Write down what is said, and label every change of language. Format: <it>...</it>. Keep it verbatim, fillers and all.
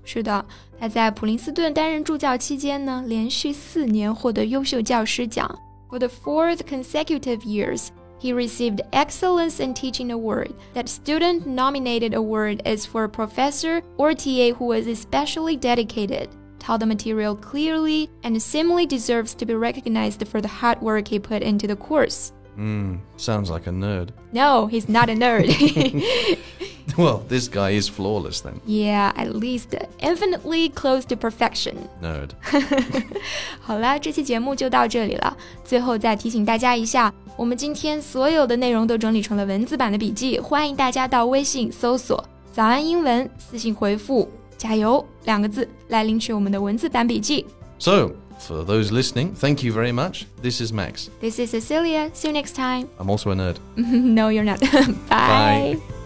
<zh>是的，他在普林斯顿担任助教期间呢，连续四年获得优秀教师奖。</zh> <en>For the fourth consecutive years, he received Excellence in Teaching Award. That student-nominated award is for a professor or T A who is especially dedicated, taught the material clearly, and similarly deserves to be recognized for the hard work he put into the course. Hmm, sounds like a nerd. No, he's not a nerd. Well, this guy is flawless then. Yeah, at least infinitely close to perfection. Nerd.</en> <zh>好啦，这期节目就到这里了。最后再提醒大家一下，我们今天所有的内容都整理成了文字版的笔记，欢迎大家到微信搜索早安英文，私信回复加油两个字来领取我们的文字版笔记。</zh> <en>So, for those listening, thank you very much. This is Max. This is Cecilia. See you next time. I'm also a nerd. No, you're not. Bye. Bye.</en>